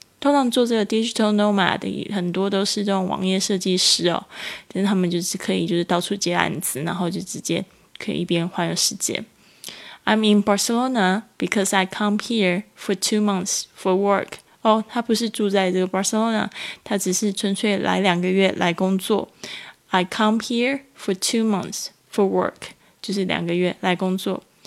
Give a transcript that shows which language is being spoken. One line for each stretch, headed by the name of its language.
Chinese: 通常做这个 digital nomad 很多都是这种网页设计师哦，但是他们就是可以就是到处接案子，然后就直接可以一边环游世界。
English: I'm in Barcelona because I come here for 2 months for work。
Chinese: 哦，他不是住在这个 Barcelona， 他只是纯粹来两个月来工作。
English: I come here for 2 months for work，
Chinese: 就是两个月来工作。